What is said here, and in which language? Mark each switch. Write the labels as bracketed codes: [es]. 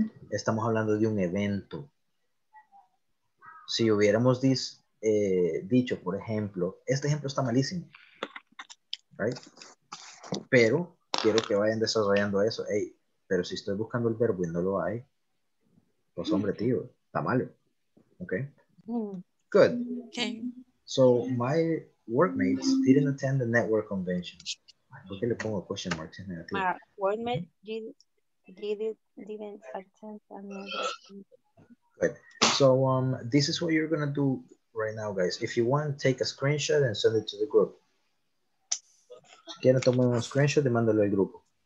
[es] Estamos hablando de un evento. Si hubiéramos dicho, por ejemplo, este ejemplo está malísimo. Right? Pero quiero que vayan desarrollando eso. Hey, pero si estoy buscando el verbo y no lo hay, pues hombre, tío, está malo. [en] Okay. Good. Okay. So my workmates didn't attend the network convention. [es] ¿Por qué le pongo question marks en negativo? [en] My workmates didn't attend the network. Good. So this is what you're gonna do right now, guys. If you want, take a screenshot and send it to the group. [es] Quiero tomar un screenshot y mándalo al grupo.